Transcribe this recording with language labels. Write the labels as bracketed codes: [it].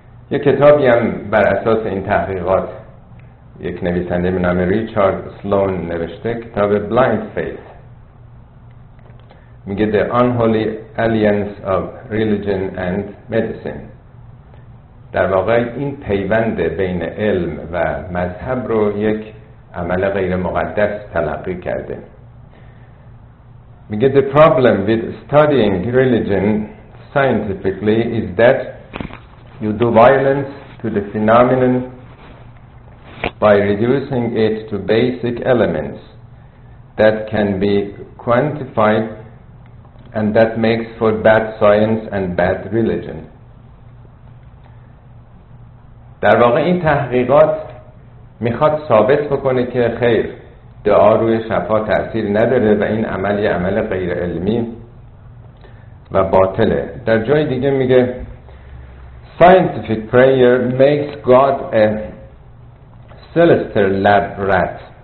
[fa] یک کتابی هم بر اساس این تحقیقات یک نویسنده به نام ریچارد سلون نوشته، کتاب بلایند فیت، میگه [en] The Unholy Alliance of Religion and Medicine. [fa] در واقع این پیوند بین علم و مذهب رو یک عمل غیر مقدس تلقی کرده. میگه [en] The problem with studying religion scientifically is that you do violence to the phenomenon by reducing it to basic elements that can be quantified and that makes for bad science and bad religion. [fa] در واقع این تحقیقات میخواد ثابت بکنه که خیر، دعا روی شفا تأثیر نداره و این عمل یه عمل غیر علمی و باطله. در جای دیگه میگه [en] Scientific prayer makes God a sinister lab rat.